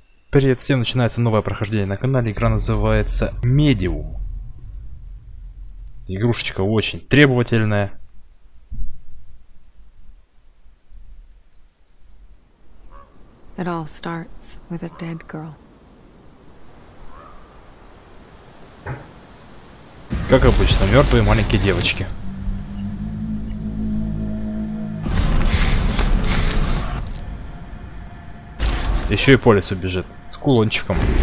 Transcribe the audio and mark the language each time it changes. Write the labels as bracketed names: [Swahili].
[Russian] Привет всем, начинается новое прохождение на канале, игра называется Medium. Игрушечка очень требовательная. [English] It all starts with a dead girl. [Russian] Как обычно, мертвые маленькие девочки. Еще и по лесу бежит. С кулончиком.